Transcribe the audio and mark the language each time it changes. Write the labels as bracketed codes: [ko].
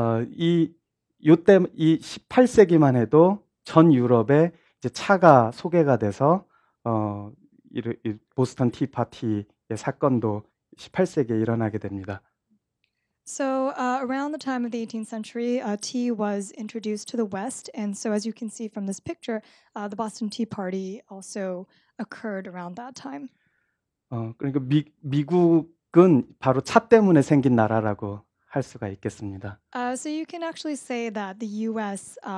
[ko] 이때 이 18세기만 해도 전 유럽에 이제 차가 소개가 돼서 이 보스턴 티 파티의 사건도 18세기에 일어나게 됩니다. [en] So around the time of the 18th century, tea was introduced to the West, and so as you can see from this picture, the Boston Tea Party also occurred around that time. [ko] 그러니까 미국은 바로 차 때문에 생긴 나라라고 할 수가 있겠습니다. [en] So you can actually say that the U.S.